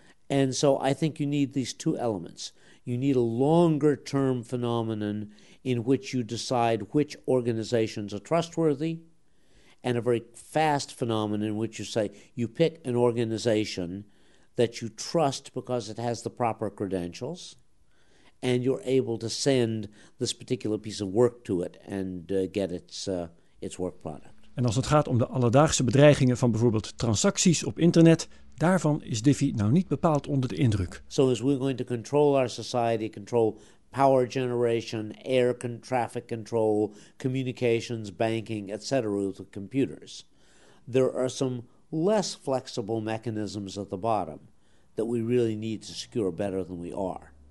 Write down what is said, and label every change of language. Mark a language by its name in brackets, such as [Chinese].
[English] And so I think you need these two elements. You need a longer-term phenomenon in which you decide which organizations are trustworthy, and a very fast phenomenon in which you say you pick an organization that you trust because it has the proper credentials, and you're able to send this particular piece of work to it and get its work product. [Dutch] En als het gaat om de alledaagse bedreigingen van bijvoorbeeld transacties op internet, daarvan is Diffie nou niet bepaald onder de indruk. [English] So as we're going to control our society, control power generation, air traffic control, communications, banking, etc. with computers, there are some less flexible mechanisms at the bottom that we really need to secure better than we are.